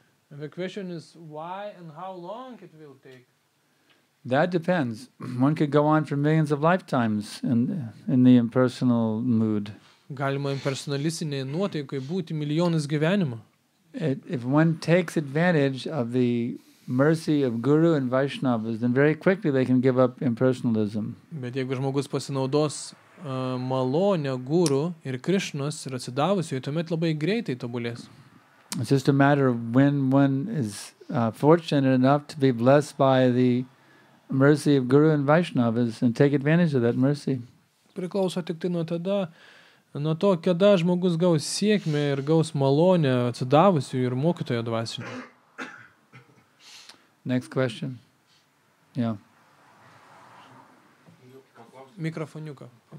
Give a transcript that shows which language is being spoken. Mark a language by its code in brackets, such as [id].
[en] The question is, why and how long it will take? That depends. One could go on for millions of lifetimes in the impersonal mood. [lt] Galima impersonalistinėje nuotaikoje būti milijonus gyvenimų. [en] If one takes advantage of the mercy of guru and vaishnavas, then very quickly they can give up impersonalism. [lt] Bet jeigu žmogus pasinaudos malonę guru ir Krišnos ir atsidavusiu, tuomet labai greitai tobulės. [en] It's just a matter of when one is fortunate enough to be blessed by the mercy of guru and vaishnavas and take advantage of that mercy. [lt] Priklauso tik tai nuo tada, Nuo to, kada žmogus gaus sėkmę ir gaus malonę atsidavusių ir mokytojo dvasinio. [en] Next question. Yeah. [lt] Mikrofoniuką.